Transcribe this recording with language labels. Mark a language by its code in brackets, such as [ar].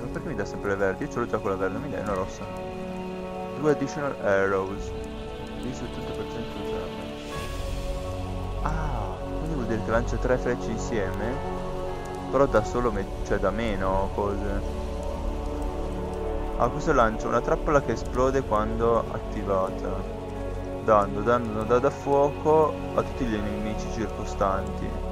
[it] Ma perché mi dà sempre le verdi? Io ce l'ho già quella verde, mi dai una rossa. [en] 2 additional arrows, 70% damage. [it] Ah, quindi vuol dire che lancia 3 frecce insieme? Però da solo, cioè da meno cose. Ah, questo lancia una trappola che esplode quando attivata, dando da fuoco a tutti gli nemici circostanti.